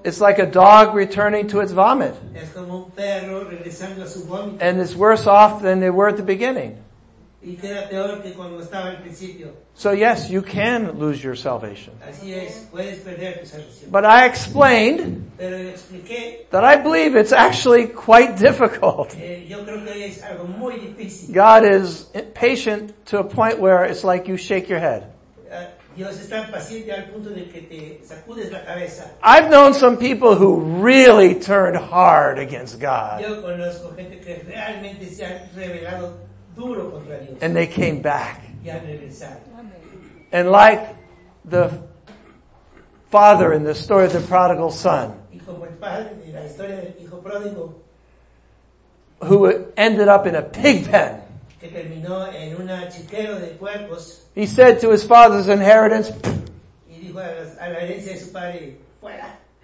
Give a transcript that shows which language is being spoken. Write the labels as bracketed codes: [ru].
[en] it's like a dog returning to its vomit. [es] Es como un perro regresando a su vómito. [en] And it's worse off than they were at the beginning. [es] Y queda peor que cuando estaba al principio. [en] So yes, you can lose your salvation. [es] Así es, puedes perder tu salvación. [en] But I explained, [es] pero yo expliqué, [en] that I believe it's actually quite difficult. [es] Yo creo que es algo muy difícil. [en] God is patient to a point where it's like you shake your head. [es] Dios es tan paciente al punto de que te sacudes la cabeza. [en] I've known some people who really turned hard against God. [es] Yo conozco gente que realmente se ha rebelado duro contra Dios. [en] And they came back. [es] Y han regresado. [en] And like the father in the story of the prodigal son, [es] y como el padre en la historia del hijo pródigo, [en] who ended up in a pig pen, [es] que terminó en una chiquero de cuerpos, [en] he said to his father's inheritance, [es] y dijo a la herencia de su padre, fuera.